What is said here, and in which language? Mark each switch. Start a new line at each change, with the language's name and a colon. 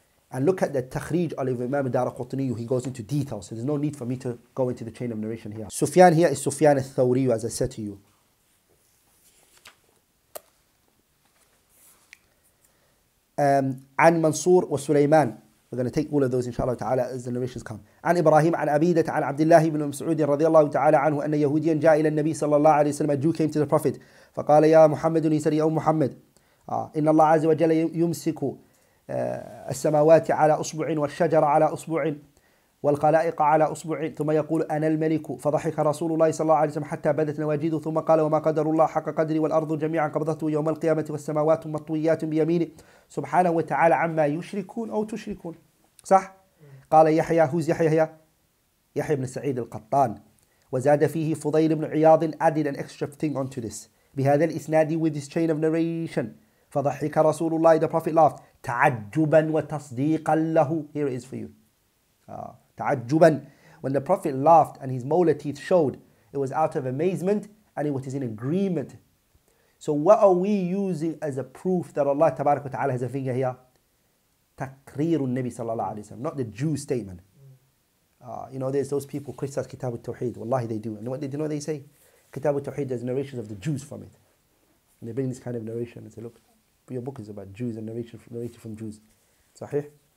English: And look at the takhrij of Imam al-Dharqutni, he goes into detail, so there's no need for me to go into the chain of narration here. Sufyan here is Sufyan al-Thawri, as I said to you.
Arabic: عن منصور وسليمان.
English: We're going to take all of those inshallah ta'ala as the narrations come.
Arabic: عن إبراهيم عن أبيدة عن عبد الله بن مسعود رضي الله تعالى عنه أن يهوديا جاء إلى النبي صلى الله عليه وسلم.
English: A Jew came to the Prophet.
Arabic: فقال يا محمد
English: he said
Arabic: يا محمد إن الله عز وجل يمسك السماوات على أصبع والشجر على أصبع والخلائق على أصبع ثم يقول أنا الملك فضحك رسول الله صلى الله عليه وسلم حتى بدت نواجذه ثم قال وما قدر الله حق قدري والأرض جميعا قبضته يوم القيامة والسماوات مطويات بيمينه سبحانه وتعالى عما يشركون أو تشركون صح؟ قال يحيى هوز يحيى هي؟
English: يحيى بن سعيد القطان
Arabic: وزاد فيه
English: فضيل بن عياض added an extra thing onto this
Arabic: بهذا الإسناد
English: with this chain of narration
Arabic: فضحك رسول الله
English: the prophet laughed
Arabic: تعجبا وتصديقا له
English: here it is for you
Arabic: تعجبا
English: when the prophet laughed and his molar teeth showed it was out of amazement and it was in agreement. So what are we using as a proof that Allah Tabarak wa Ta'ala has a finger here? Takriru Nabi sallallahu alayhi wa sallam, not the Jew statement. You know, there's those people criticize Kitab al-Tawheed. Wallahi they do. And what do you know what they say? Kitab al-Tawheed, there's narrations of the Jews from it. And they bring this kind of narration and say, look, your book is about Jews and narrated from Jews. Sahih?